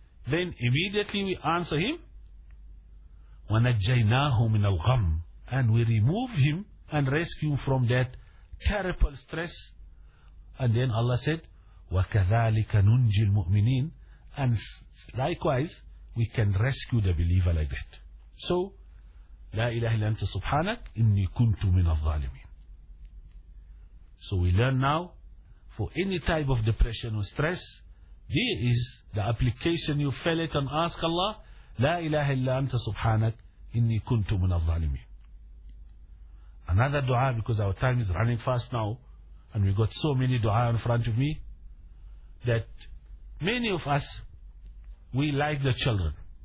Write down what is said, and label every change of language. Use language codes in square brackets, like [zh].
[en] Then immediately we answer him, [ar] Wa najjaynahu min al-gham. [en] And we remove him and rescue him from that terrible stress. And then Allah said, [ar] وَكَذَلِكَ نُنْجِي الْمُؤْمِنِينَ. [en] And likewise, we can rescue the believer like that. So, [ar] لا إله إلا أنت سبحانك إني كنت من الظالمين. [en] So we learn now, for any type of depression or stress, here is the application, you fell it and ask Allah, [ar] لا إله إلا أنت سبحانك إني كنت من الظالمين. [en] Another dua, because our time is running fast now, and we got so many dua in front of me, that many of us, we like the children.